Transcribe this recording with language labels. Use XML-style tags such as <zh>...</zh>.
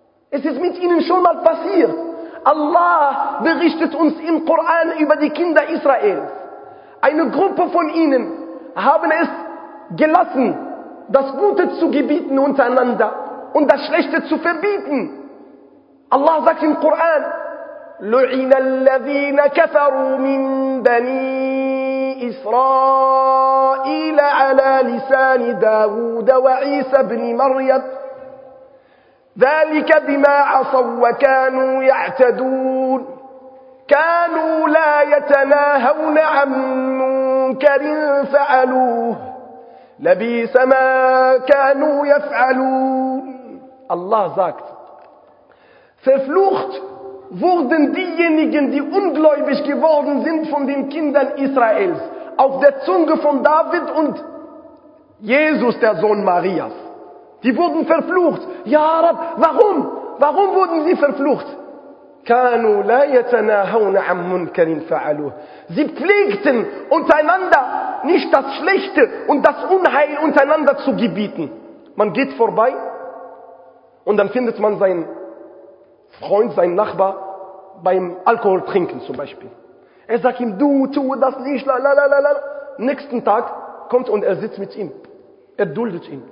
<de>Es ist mit ihnen schon mal passiert. Allah berichtet uns im Koran über die Kinder Israels. Eine Gruppe von ihnen haben es gelassen, das Gute zu gebieten untereinander und das Schlechte zu verbieten. Allah sagt im Koran,</de> <ar>لُعِنَ الَّذِينَ كَفَرُوا مِن بَنِي إِسْرَائِيلَ عَلَى لِسَانِ دَاوُودَ وَعِيسَى بْنِ مَرْيَمَ ذلك بما عصوا وكانوا يعتدون كانوا لا يتناهون عن منكر فعلوه لبيس ما كانوا يفعلون</ar> <de>الله sagt verflucht wurden diejenigen, die ungläubig geworden sind von den Kindern Israels, auf der Zunge von David und Jesus, der Sohn Marias. Die wurden verflucht. Ja, Rab, warum? Warum wurden sie verflucht?</de> <ar>كانوا لا يتناهون عن منكر فعلوه.</ar> <de>Sie pflegten untereinander nicht das Schlechte und das Unheil untereinander zu gebieten. Man geht vorbei und dann findet man seinen Freund, seinen Nachbar beim Alkohol trinken zum Beispiel. Er sagt ihm, du tu das nicht, la la la la. Nächsten Tag kommt und er sitzt mit ihm. Er duldet ihn.</de>